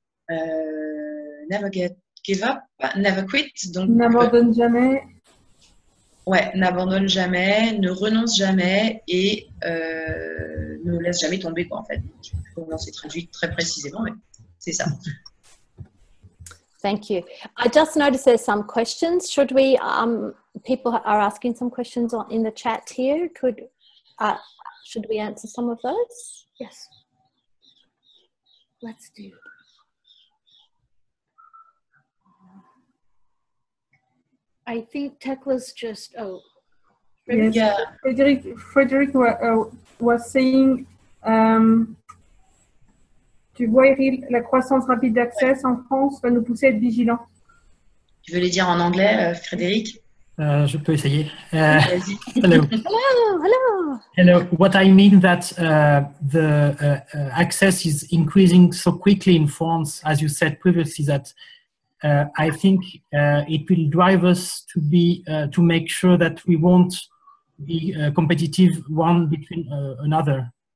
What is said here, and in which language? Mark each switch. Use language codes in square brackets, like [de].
[en] Never get give up, never quit. [fr] Donc, n'abandonne jamais. Ouais, n'abandonne jamais, ne renonce jamais et ne laisse jamais tomber, quoi, en fait. Comment c'est traduit très précisément, mais c'est ça. [en] Thank you. I just noticed there's some questions. Should we, people are asking some questions in the chat here. Should we answer some of those? Yes. Let's do. I think Tekla's just, [fr] Frédéric was saying, tu vois, Eryl, la croissance rapide d'accès en France va nous pousser à être vigilants. Tu veux les dire en anglais, Frédéric? Je peux essayer. Vas-y. [en] Hello. Hello. Hello. What I mean that the access is increasing so quickly in France, as you said previously, that I think it will drive us to be to make sure that we won't be competitive one between another.